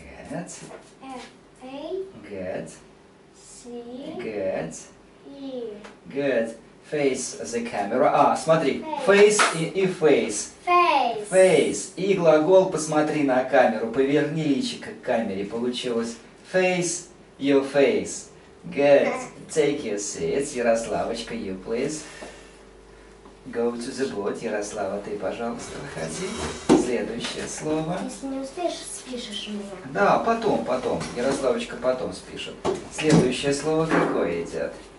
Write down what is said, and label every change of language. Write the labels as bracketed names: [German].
[English] Get. F-A. Get. C. Get. E. Get. Face the camera. [Russian] А, смотри. [English] Face и face. Face. [Russian] И глагол «посмотри на камеру». Поверни личико к камере. Получилось [English] face your face. Good. Take your seat. Ярославочка, you please. Go to the board. [Russian] Ярослава, ты, пожалуйста, выходи. Следующее слово. Если не успеешь, спишешь у меня. Да, потом, потом. Ярославочка потом спишет. Следующее слово какое идет?